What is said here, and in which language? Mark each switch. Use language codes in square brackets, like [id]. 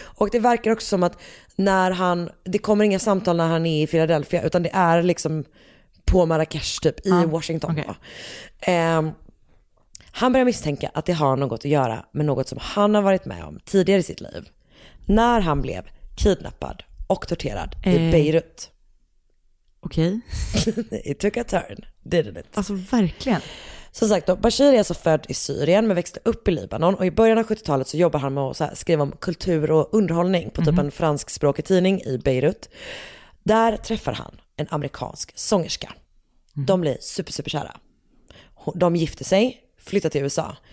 [sv] Och det verkar också som att när han, det kommer inga samtal när han är i Philadelphia, utan det är liksom på Marrakesh typ i Washington. [en] Okay. [sv] Han börjar misstänka att det har något att göra med något som han har varit med om tidigare i sitt liv. När han blev kidnappad och torterad i Beirut. Okej. [en] Okay. It took a turn, didn't it? [sv] Alltså verkligen. Som sagt då, Bashir är alltså född i Syrien men växte upp i Libanon. Och i början av 70-talet så jobbar han med att så här, skriva om kultur och underhållning på typ en franskspråkig tidning i Beirut. Där träffar han en amerikansk sångerska. Mm. De blir super, super kära. De gifter sig, flyttar till USA.